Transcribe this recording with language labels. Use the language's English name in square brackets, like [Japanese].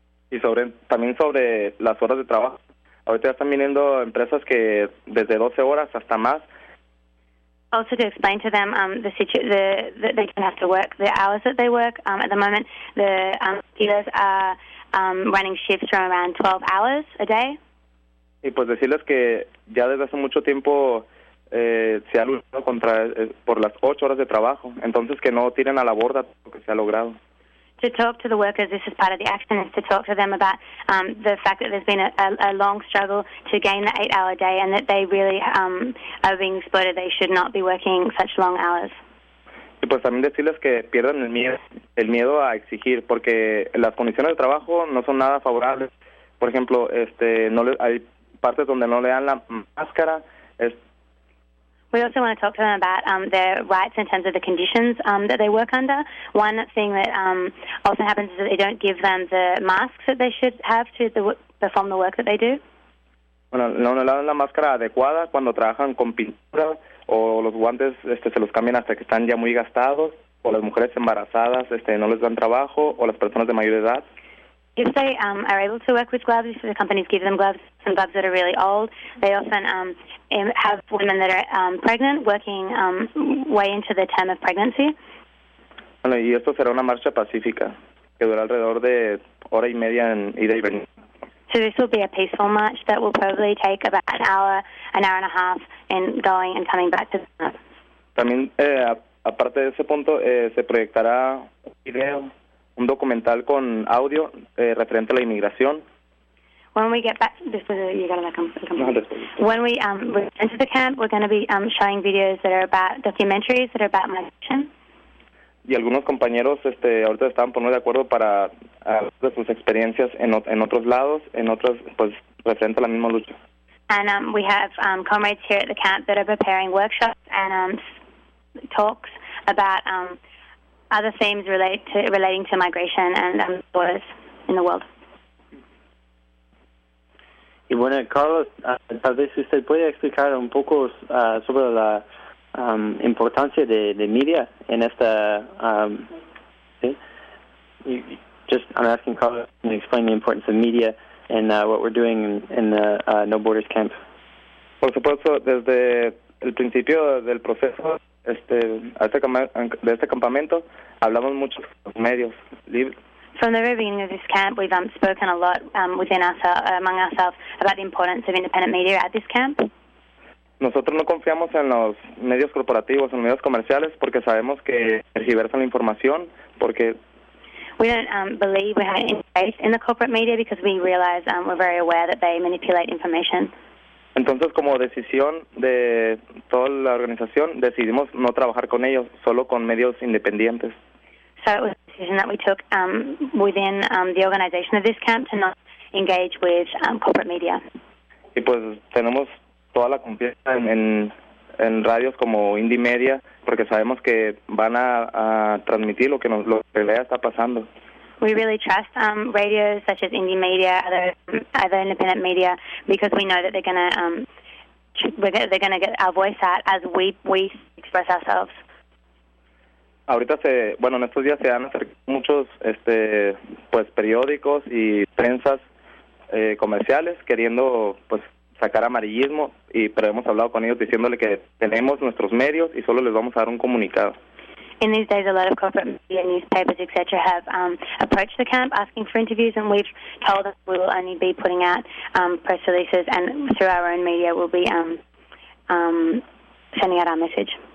[Spanish] Y también sobre las horas de trabajo. Ahorita están viniendo empresas que desde 12 horas hasta más. [English] Also to explain to them that they don't have to work. The hours that they work at the moment, the dealers are running shifts from around 12 hours a day. [Spanish] Y pues decirles que ya desde hace mucho tiempo se ha luchado contra por las 8 horas de trabajo, entonces que no tiren a la borda lo que se ha logrado. [English] To talk to the workers, this is part of the action, is to talk to them about the fact that there's been a long struggle to gain the 8-hour day and that they really are being exploited. They should not be working such long hours. [Spanish] Y pues también decirles que pierdan el miedo a exigir, porque las condiciones de trabajo no son nada favorables. Por ejemplo, hay partes donde no le dan la máscara. [English] We also want to talk to them about their rights in terms of the conditions that they work under. One thing that often happens is that they don't give them the masks that they should have to perform the work that they do. [Spanish] Bueno, no le dan la máscara adecuada cuando trabajan con pintura o los guantes se los cambian hasta que están ya muy gastados o las mujeres embarazadas no les dan trabajo o las personas de mayor edad. [English] If they are able to work with gloves, if the companies give them gloves, some gloves that are really old, they often have women that are pregnant working way into the term of pregnancy. [Spanish] Bueno, y esto será una marcha pacífica que dura alrededor de hora y media en ida y venida. [English] So this will be a peaceful march that will probably take about an hour and a half in going and coming back to the camp. [Spanish] También, aparte de ese punto, se proyectará un documental con audio referente a la inmigración. [English] When we get back, return to the camp, we're going to be showing videos that are about documentaries that are about migration. [Spanish] Y algunos compañeros ahorita estaban poniendo de acuerdo para de sus experiencias en otros lados, en otros, pues, referente a la misma lucha. [English] And we have comrades here at the camp that are preparing workshops and talks about other themes relating to migration and borders in the world. [Spanish] Y bueno, Carlos, tal vez usted puede explicar un poco sobre la importancia de media en esta. [English] I'm asking Carlos to explain the importance of media and what we're doing in the No Borders camp. [Spanish] Por supuesto, desde el principio del proceso este campamento, hablamos mucho de los medios libres. [English] From the very beginning of this camp, we've spoken a lot among ourselves about the importance of independent media at this camp. [Spanish] Nosotros no confiamos en los medios corporativos, en los medios comerciales, porque sabemos que tergiversan la información, porque... [English] We don't believe we have any faith in the corporate media because we realize we're very aware that they manipulate information. [Spanish] Entonces, como decisión de toda la organización, decidimos no trabajar con ellos, solo con medios independientes. [English] So it was a decision that we took within the organization of this camp to not engage with corporate media. [Spanish] Y pues tenemos toda la confianza en radios como Indie Media, porque sabemos que van a transmitir lo que ya está pasando. [English] We really trust radios such as Indie Media, other independent media, because we know that they're gonna get our voice out as we express ourselves. [Spanish] Ahorita en estos días se han acercado muchos periódicos y prensas comerciales queriendo sacar amarillismo, pero hemos hablado con ellos diciéndole que tenemos nuestros medios y solo les vamos a dar un comunicado. [English] In these days, a lot of corporate media, newspapers, etc., have approached the camp asking for interviews, and we've told them we will only be putting out press releases, and through our own media, we'll be sending out our message.